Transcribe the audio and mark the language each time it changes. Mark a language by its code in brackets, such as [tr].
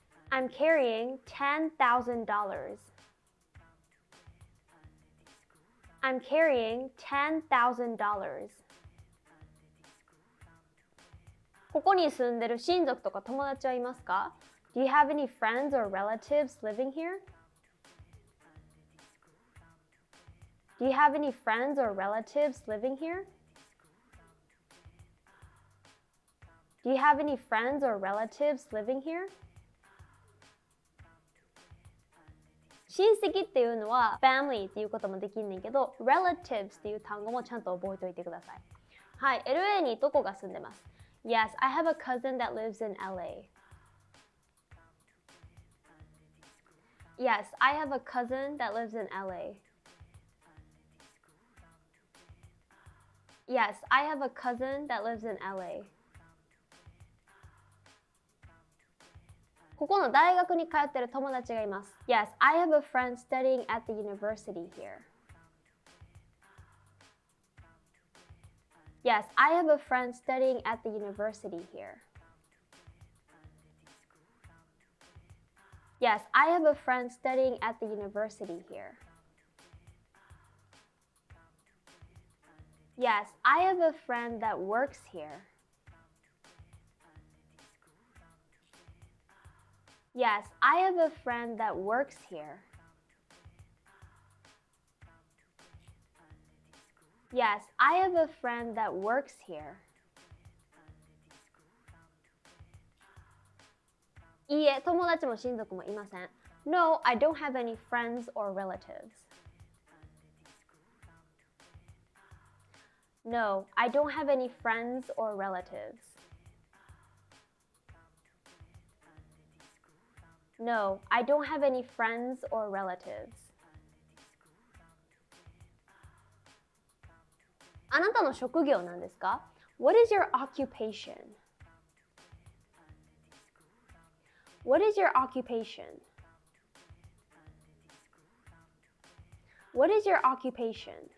[en] I'm carrying $10,000. I'm carrying $10,000. [ja] ここに住んでる親族とか友達はいますか? [en] Do you have any friends or relatives living here? Do you have any friends or relatives living here? Do you have any friends or relatives living here? [ja] 親戚っていうのは family っていうこともできんねんけど relatives っていう単語もちゃんと覚えておいてください。はい、 LA にどこが住んでます？ [en] Yes, I have a cousin that lives in LA. Yes, I have a cousin that lives in LA. Yes, I have a cousin that lives in LA. [ja] ここの大学に通ってる友達がいます。 [en] Yes, I have a friend studying at the university here. Yes, I have a friend studying at the university here. Yes, I have a friend studying at the university here. Yes, I have a friend that works here. Yes, I have a friend that works here. Yes, I have a friend that works here. [ja] いいえ、友達も親族もいません。 [en] No, I don't have any friends or relatives. No, I don't have any friends or relatives. No, I don't have any friends or relatives. [ja] あなたの職業なんですか? [en] What is your occupation? What is your occupation? What is your occupation?